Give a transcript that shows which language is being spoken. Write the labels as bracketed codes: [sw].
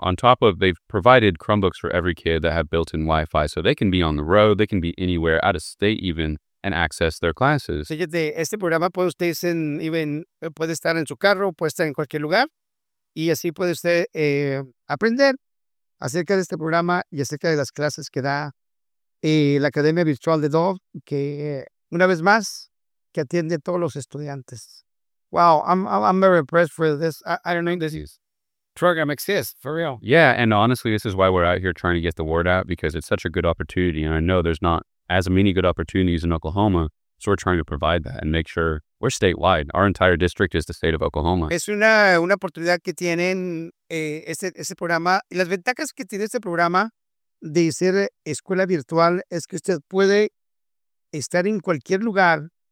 [en] On top of, they've provided Chromebooks for every kid that have built-in Wi-Fi, so they can be on the road, they can be anywhere, out of state even, and access their classes. [es] Fíjate, este programa puede usted puede estar en su carro, puede estar en cualquier lugar, y así puede usted aprender acerca de este programa y acerca de las clases que da la Academia Virtual de Dove, que una vez más, que atiende a todos los estudiantes. [en] Wow, I'm very impressed for this. I don't know if this program exists, for real. Yeah, and honestly, this is why we're out here trying to get the word out, because it's such a good opportunity, and I know there's not as many good opportunities in Oklahoma, so we're trying to provide that and make sure we're statewide. Our entire district is the state of Oklahoma. [es] Es una oportunidad que tienen ese programa. Y las ventajas que tiene este programa de ser escuela virtual es que usted puede estar en cualquier lugar.